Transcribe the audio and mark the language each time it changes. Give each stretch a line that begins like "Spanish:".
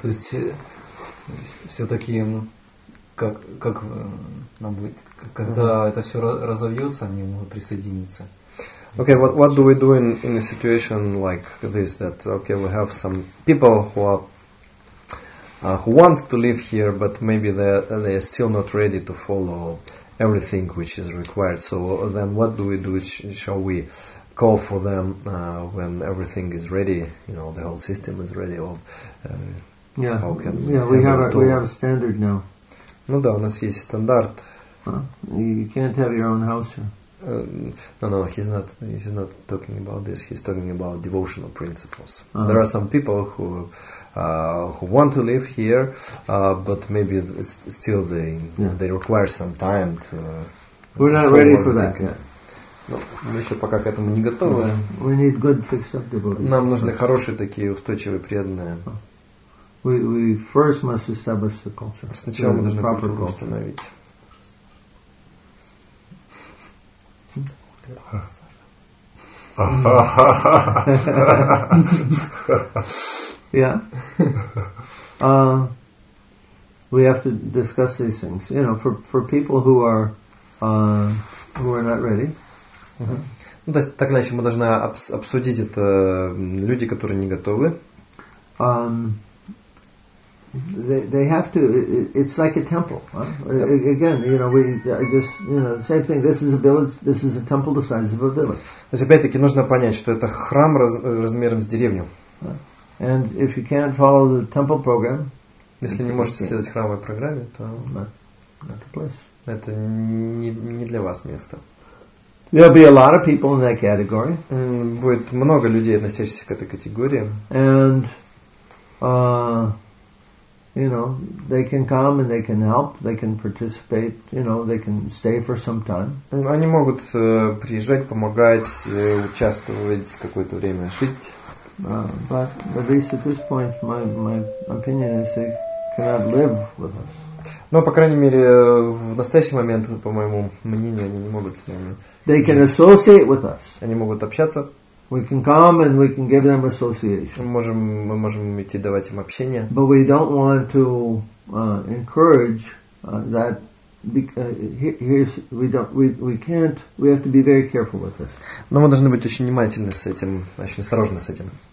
Russian: То есть все-таки как нам быть, когда это все разовьется, они могут присоединиться.
English: Okay, what do we do in a situation like this, that okay, we have some people who want to live here, but maybe they are still not ready to follow everything which is required. So then what do we do? Shall we call for them when everything is ready, you know, the whole system is ready? Or, how can we have a standard now.
Russian: Ну да, у нас есть стандарт.
English: You can't have your own house here. He's not talking about this. He's talking about devotional principles. Uh-huh. There are some people who want to live here, but maybe it's still they require some time to. We're not ready for that.
Russian: Ну, мы еще пока к этому не готовы.
English: Uh-huh. We need good fixed up devotees.
Russian: Нам нужны хорошие такие устойчивые преданные.
English: We first must establish the culture.
Russian: Сначала мы должны культуру установить.
English: Yeah. We have to discuss these things. You know, for people who are not ready. Mm-hmm.
Russian: Ну, то есть, так иначе мы должны обсудить это люди, которые не готовы.
English: They have to. It's like a temple. Huh? Yep. Again, you know, the same thing. This is a village. This is a temple the size of a village.
Russian: То есть опять-таки нужно понять, что это храм размером с деревню.
English: And if you can't follow the temple program,
Russian: если не можете следовать храмовой программе, то
English: not the place.
Russian: Это не для вас место.
English: There'll be a lot of people in that category.
Russian: Будет много людей, относящихся к этой категории.
English: And you know, they can come and they can help, they can participate, you know, they can stay for some time.
Russian: Они могут приезжать, помогать, участвовать какое-то время, жить.
English: But at least at this point, my opinion is they cannot live with us.
Russian: Но, по крайней мере, в настоящий момент, по моему мнению, они не могут с нами.
English: They can associate with us.
Russian: Они могут общаться.
English: We can come and we can give them association.
Russian: Мы можем идти давать им общение.
English: But we don't want to encourage that. We have to be very careful with this.
Russian: Но мы должны быть очень внимательны с этим, очень осторожны с этим.